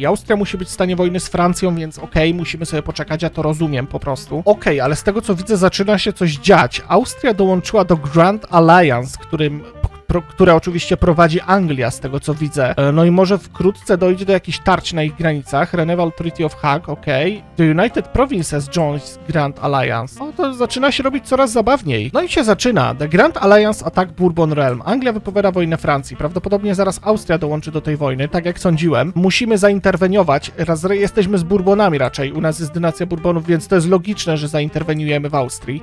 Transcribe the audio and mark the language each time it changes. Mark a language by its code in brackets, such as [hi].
[pl] I Austria musi być w stanie wojny z Francją, więc okej, musimy sobie poczekać, ja to rozumiem po prostu. Okej, ale z tego, co widzę, zaczyna się coś dziać. Austria dołączyła do Grand Alliance, którym które oczywiście prowadzi Anglia, z tego co widzę. No i może wkrótce dojdzie do jakichś tarć na ich granicach. [en] Renewal Treaty of Hague, okej. Okay. The United Provinces joins Grand Alliance. [pl] No to zaczyna się robić coraz zabawniej. No i się zaczyna. [en] The Grand Alliance Attack Bourbon Realm. [pl] Anglia wypowiada wojnę Francji. Prawdopodobnie zaraz Austria dołączy do tej wojny, tak jak sądziłem. Musimy zainterweniować. Jesteśmy z Bourbonami raczej. U nas jest dynastia Bourbonów, więc to jest logiczne, że zainterweniujemy w Austrii.